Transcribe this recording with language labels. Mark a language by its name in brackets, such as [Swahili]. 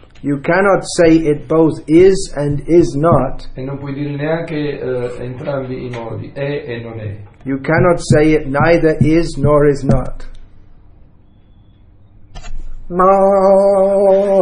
[English] You cannot say it both is and is not. [Italian] E non puoi dire neanche entrambi i modi, è e non è. [English] You cannot say it neither is nor is not. No.